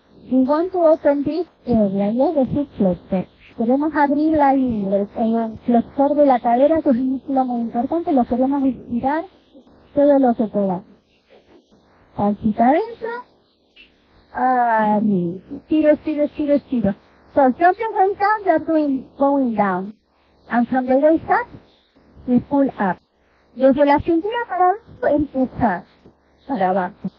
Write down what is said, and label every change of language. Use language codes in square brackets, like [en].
[en] We want to open this area, yeah, the hip flexor. [es] Queremos abrir la ingle, el flexor de la cadera, que es un músculo muy importante, lo queremos estirar todo lo que pueda. Pancita adentro. Ahí. Estiro, estiro, estiro, estiro. [en] So, jump your way down, you're doing, going down. And from the waist up, we pull up. [es] Desde la cintura para abajo, empezar para abajo.